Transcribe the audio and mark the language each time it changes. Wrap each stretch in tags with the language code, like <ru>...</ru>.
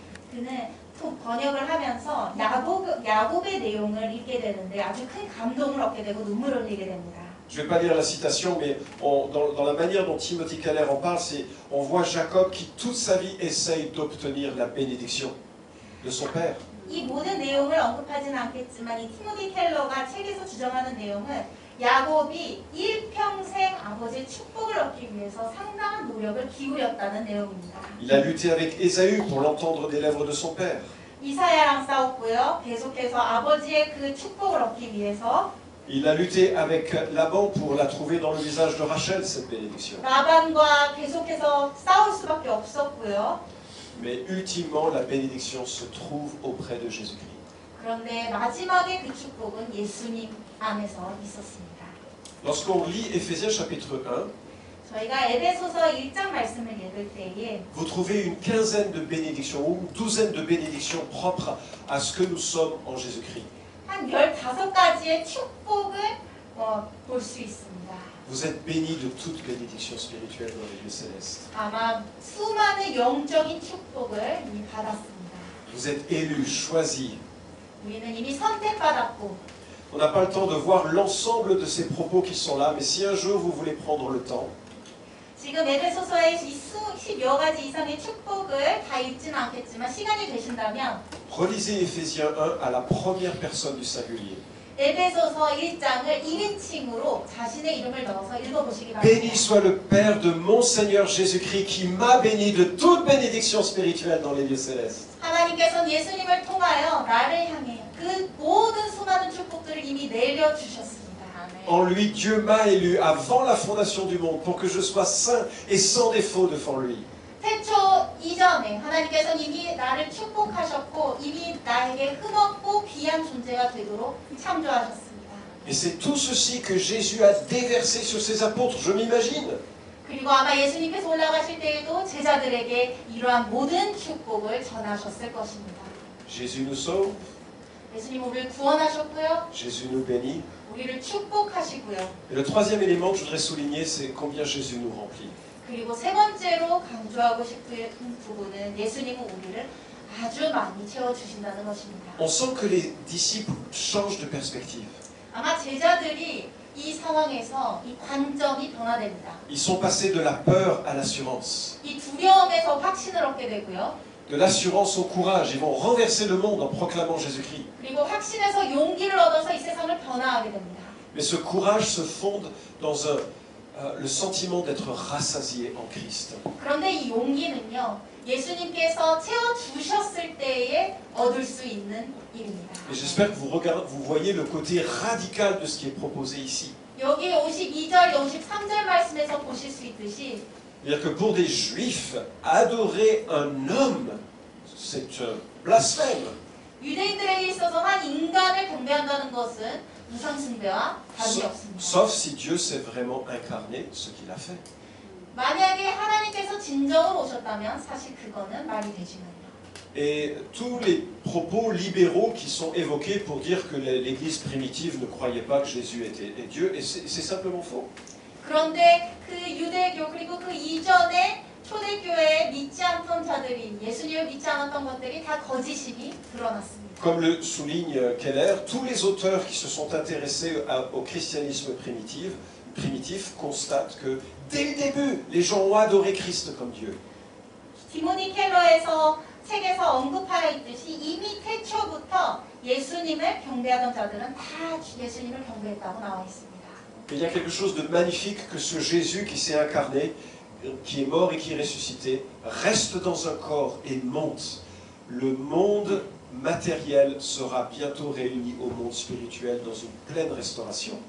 <ko>그는 또 번역을 하면서 야곱의 내용을 읽게 되는데 아주 큰 감동을 얻게 되고 눈물을 흘리게 됩니다.</ko> <fr>Je vais pas lire la citation, mais dans la manière dont Timothy Keller en parle, c'est on voit Jacob qui toute sa vie essaye d'obtenir la bénédiction de son père.</fr> <ko>이 모든 내용을 언급하지는 않겠지만 이 티모티 켈러가 책에서 주장하는 내용은 야곱이 일평생 아버지의 축복을 얻기 위해서 상당한 노력을 기울였다는 내용입니다.</ko> <fr>Il a lutté avec Esaü pour l'entendre des lèvres de son père.</fr> <ko>이사야랑 싸웠고요. 계속해서 아버지의 그 축복을 얻기 위해서.</ko> <fr>Il a lutté avec Laban pour la trouver dans le visage de Rachel cette bénédiction.</fr> <ko>라반과 계속해서 싸울 수밖에 없었고요.</ko> <fr>Mais ultimement la bénédiction se trouve auprès de Jésus-Christ.</fr> <ko>그런데 마지막에 그 축복은 예수님 안에서 있었습니다.</ko> <fr>Lorsqu'on lit Éphésiens chapitre 1,</fr> <ko>저희가 에베소서 1장 말씀을 읽을 때에</ko> <fr>vous trouvez une quinzaine de bénédictions ou une douzaine de bénédictions propres à ce que nous sommes en Jésus-Christ.</fr> <ko>한 15가지의 축복을 볼 수 있습니다.</ko> <fr>Vous êtes bénis de toute bénédiction spirituelle dans les lieux célestes.</fr> <ko>아마 수많은 영적인 축복을 이미 받았습니다.</ko> <fr>Vous êtes élus, choisis.</fr> <ko>우리는 이미 선택받았고.</ko> <fr>On n'a pas le temps de voir l'ensemble de ces propos qui sont là, mais si un jour vous voulez prendre le temps.</fr> <ko>지금 에베소서의 10여 가지 이상의 축복을 다 읽지는 않겠지만 시간이 되신다면.</ko> <fr>Relisez Éphésiens 1 à la première personne du singulier.</fr> <ko>에베소서 1장을 1인칭으로 자신의 이름을 넣어서 읽어보시기 바랍니다.</ko> <fr>Béni soit le Père de mon Seigneur Jésus-Christ qui m'a béni de toute bénédiction spirituelle dans les lieux célestes.</fr> <ko>하나님께서는 예수님을 통하여 나를 향해 그 모든 수많은 축복들을 이미 내려주셨습니다.</ko> <fr>En lui Dieu m'a élu avant la fondation du monde pour que je sois saint et sans défaut devant lui.</fr> <ko>태초 이전에 하나님께서는 이미 나를 축복하셨고 이미 나에게 흠없고 귀한 존재가 되도록 창조하셨습니다.</ko> <fr>Et c'est tout ceci que Jésus a déversé sur ses apôtres, je m'imagine.</fr> <ko>그리고 아마 예수님께서 올라가실 때에도 제자들에게 이러한 모든 축복을 전하셨을 것입니다.</ko> <fr>Jésus nous sauve.</fr> <ko>예수님 우리를 구원하셨고요.</ko> <fr>Jésus nous bénit.</fr> <ko>우리를 축복하시고요.</ko> <fr>Et le troisième élément que je voudrais souligner, c'est combien Jésus nous remplit.</fr> <ko>그리고 세 번째로 강조하고 싶은 부분은 예수님은 우리를 아주 많이 채워주신다는 것입니다.</ko> <fr>On sent que les disciples changent de perspective.</fr> <ko>아마 제자들이 이 상황에서 이 관점이 변화됩니다.</ko> <fr>Ils sont passés de la peur à l'assurance.</fr> <ko>이 두려움에서 확신을 얻게 되고요.</ko> <fr>De l'assurance au courage, ils vont renverser le monde en proclamant Jésus-Christ.</fr> <ko>그리고 확신에서 용기를 얻어서 이 세상을 변화하게 됩니다.</ko> <fr>Mais ce courage se fonde dans un le sentiment d'être rassasié en Christ.</fr> <ko>그런데 이 용기는요, 예수님께서 채워 주셨을 때에 얻을 수 있는 일입니다.</ko> <fr>Et j'espère que vous voyez le côté radical de ce qui est proposé ici.</fr> <ko>여기 52절, 53절 말씀에서 보실 수 있듯이</ko> <fr>dire que pour des juifs adorer un homme c'est un blasphème.</fr> <ko>유대인들에게 있어서 한 인간을 경배한다는 것은 우상 숭배와 다름이 없습니다.</ko> <fr>Sauf si Dieu s'est vraiment incarné ce qu'il a fait.</fr> <ko>만약에 하나님께서 진정으로 오셨다면 사실 그거는 말이 되지만</ko> <fr>Et tous les propos libéraux qui sont évoqués pour dire que l'Église primitive ne croyait pas que Jésus était Dieu, et c'est simplement faux.</fr> <ko>그런데 그 유대교 그리고 그 이전에 초대교회 믿지 않던 자들이 예수님을 믿지 않았던 것들이 다 거짓임이 드러났습니다.</ko> <fr>Comme le souligne Keller, tous les auteurs qui se sont intéressés au christianisme primitif constatent que dès le début, les gens ont adoré Christ comme Dieu.</fr> <ko>티모니 켈러에서 책에서 언급하여 있듯이 이미 태초부터 예수님을 경배하던 자들은 다 예수님을 경배했다고 나와 있습니다.</ko> <fr>Il y a quelque chose de magnifique que ce Jésus qui s'est incarné, qui est mort et qui est ressuscité, reste dans un corps et monte. Le monde matériel sera bientôt réuni au monde spirituel dans une pleine restauration.</fr>